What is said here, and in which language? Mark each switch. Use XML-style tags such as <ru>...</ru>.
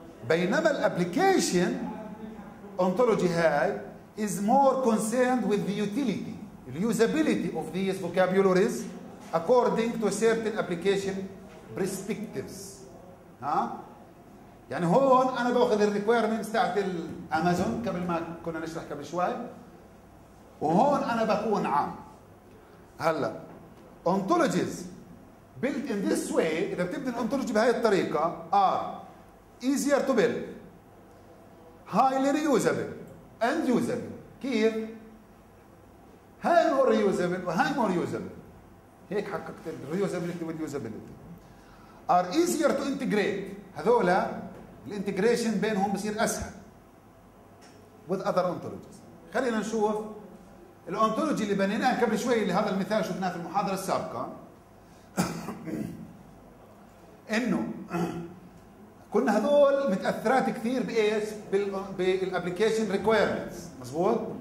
<en>بينما الابلكيشن اونتولوجي هاي is more concern with the utility usability of these vocabularies according to certain application perspectives.</en> <ar>ها يعني هون انا باخذ الريكويرمنتس تاعت الامازون قبل ما كنا نشرح قبل شوي، وهون انا بكون عام.</ar> <en>هلا ontologies built in this way،</en> <ar>اذا بتبني الانتولوجي بهاي الطريقه</ar> <en>are easier to build, highly reusable and usable.</en> <ar>كيف هاي</ar> <en>more usable</en> <ar>وهاي مور يوزابل، هيك حققت الريوزابيلتي واليوزابيلتي.</ar> <en>are easier to integrate,</en> <ar>هذولا الانتجريشن بينهم بصير اسهل</ar> <en>With other ontologies.</en> <ar>خلينا نشوف الانتولوجي اللي بنيناه قبل شوي لهذا المثال، شفناه في المحاضره السابقه انه كنا هذول متاثرات كثير بايش؟ بالابلكيشن ريكويرمنتس، مزبوط.</ar>